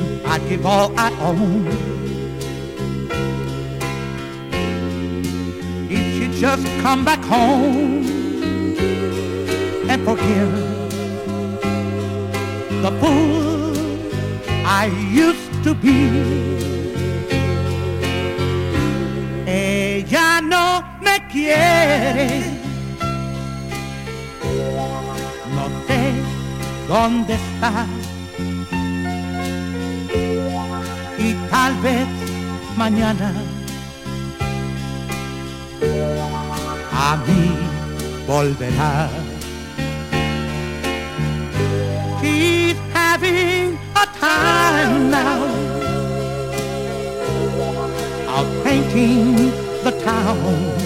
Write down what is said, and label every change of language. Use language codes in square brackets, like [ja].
[en] I'd give all I own if she'd just come back home and forgive the fool I used to be. [es] Ella no me quiere, no sé dónde está. Tal vez mañana a mí volverá. [en] She's having a time now of painting the town.